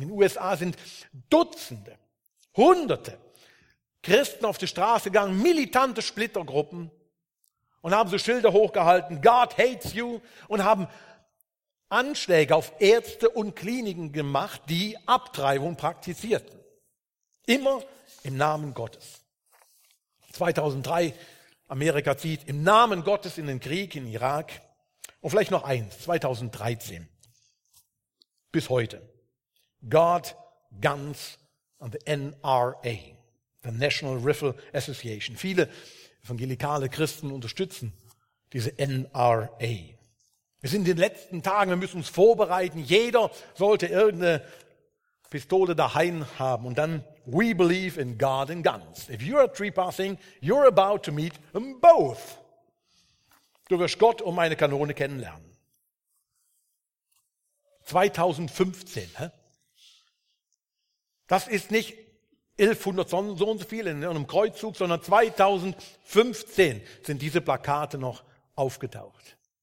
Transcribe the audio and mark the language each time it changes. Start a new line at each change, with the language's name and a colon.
German: In den USA sind Dutzende, Hunderte Christen auf die Straße gegangen, militante Splittergruppen, und haben so Schilder hochgehalten,
English: God hates you,
German: und haben Anschläge auf Ärzte und Kliniken gemacht, die Abtreibung praktizierten. Immer im Namen Gottes. 2003 Amerika zieht im Namen Gottes in den Krieg in Irak. Und vielleicht noch eins, 2013. Bis heute.
English: God, Guns and the NRA, the National Rifle Association.
German: Viele evangelikale Christen unterstützen diese NRA. Wir sind in den letzten Tagen, wir müssen uns vorbereiten. Jeder sollte irgendeine Pistole daheim haben. Und dann,
English: we believe in God and guns. If you are trespassing, you're about to meet them both.
German: Du wirst Gott und meine Kanone kennenlernen. 2015, hä? Das ist nicht 1100, so und so viel in einem Kreuzzug, sondern 2015 sind diese Plakate noch aufgetaucht.